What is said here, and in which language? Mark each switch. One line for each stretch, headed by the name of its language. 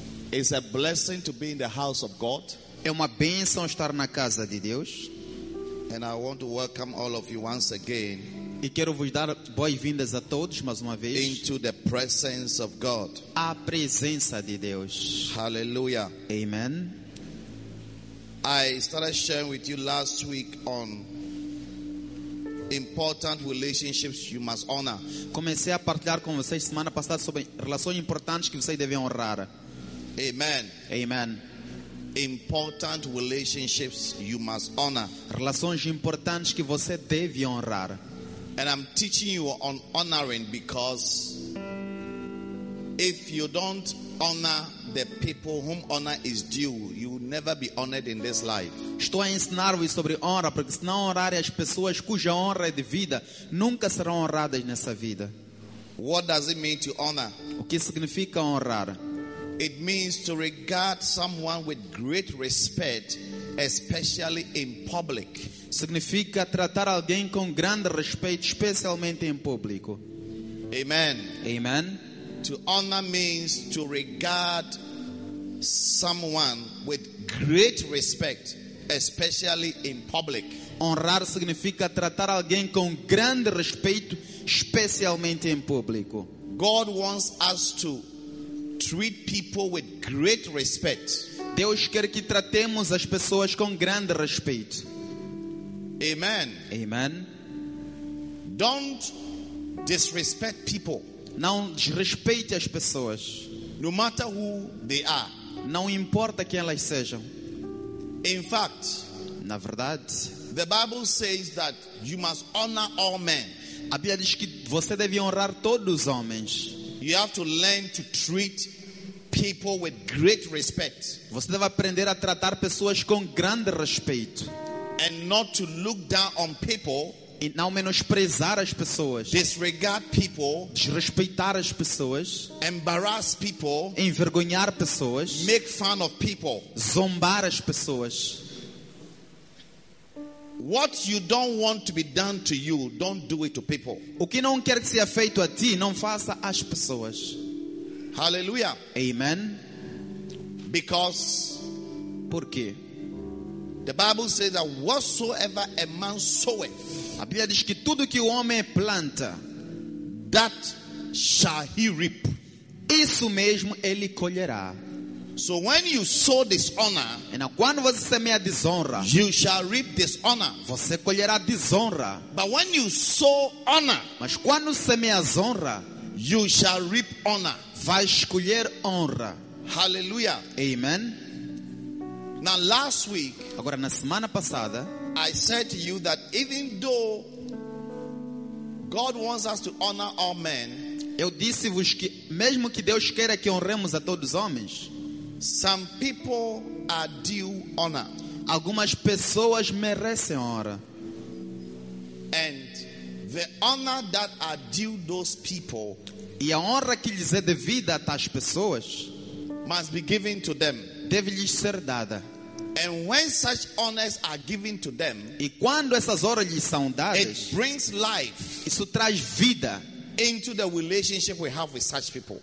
English: It's a blessing to be in the house of God.
Portuguese: É uma bênção estar na casa de Deus.
English: And I want to welcome all of you once again.
Portuguese: E quero vos dar boas-vindas a todos mais uma vez.
English: Into the presence of God.
Portuguese: A presença de Deus.
English: Hallelujah.
Portuguese: Amen.
English: I started sharing with you last week on important relationships you must honor.
Portuguese: Comecei a partilhar com vocês semana passada sobre relações importantes que vocês devem honrar.
English: Amen.
Portuguese: Amen.
English: Important relationships you must honor.
Portuguese: Relações importantes que você deve honrar.
English: And I'm teaching you on honoring because if you don't honor the people whom honor is due, you will never be honored in this life.
Portuguese: Estou a ensinar-vos sobre honra, porque se não honrar as pessoas cuja honra é devida, nunca serão honradas nessa vida.
English: What does it mean to honor?
Portuguese: O que significa honrar?
English: It means to regard someone with great respect, especially in public.
Portuguese: Significa tratar alguém com grande respeito, especialmente em público.
English: Amen.
Portuguese: Amen.
English: To honor means to regard someone with great respect, especially in public.
Portuguese: Honrar significa tratar alguém com grande respeito, especialmente em público.
English: God wants us to treat people with great respect.
Portuguese: Deus quer que tratemos as pessoas com grande respeito.
English: Amen.
Portuguese: Amen.
English: Don't disrespect people.
Portuguese: Não desrespeite as pessoas.
English: No matter who they are.
Portuguese: Não importa quem elas sejam.
English: In fact,
Portuguese: na verdade,
English: the Bible says that you must honor all men.
Portuguese: A Bíblia diz que você deve honrar todos os homens.
English: You have to learn to treat people with great respect.
Portuguese: Você deve aprender a tratar pessoas com grande respeito.
English: And not to look down on people.
Portuguese: E não menosprezar as pessoas.
English: Disregard people.
Portuguese: Desrespeitar as pessoas.
English: Embarrass people.
Portuguese: Envergonhar pessoas.
English: Make fun of people.
Portuguese: Zombar as pessoas.
English: What you don't want to be done to you, don't do it to people.
Portuguese: O que não quer que seja feito a ti, não faça às pessoas.
English: Hallelujah.
Portuguese: Amen.
English: Because.
Portuguese: Por quê?
English: The Bible says that whatsoever a man soweth,
Portuguese: a Bíblia diz que tudo que o homem planta,
English: that shall he reap.
Portuguese: Isso mesmo ele colherá.
English: So when you sow dishonor,
Portuguese: and quando você semeia desonra,
English: you shall reap dishonor.
Portuguese: Você colherá desonra.
English: But when you sow honor,
Portuguese: mas quando semeia honra,
English: you shall reap honor.
Portuguese: Vai colher honra.
English: Hallelujah.
Portuguese: Amen.
English: Now last week,
Portuguese: agora na semana passada,
English: I said to you that even though God wants us to honor all men,
Portuguese: eu disse-vos que mesmo que Deus queira que honremos a todos os homens,
English: some people are due honor.
Portuguese: Algumas pessoas merecem honra.
English: And the honor that are due those people,
Portuguese: e a honra que lhes é devida a tais pessoas,
English: must be given to them.
Portuguese: Deve-lhes ser dada.
English: And when such honors are given to them,
Portuguese: e quando essas honras lhes são dadas,
English: it brings life.
Portuguese: Isso traz vida.
English: Into the relationship we have with such people.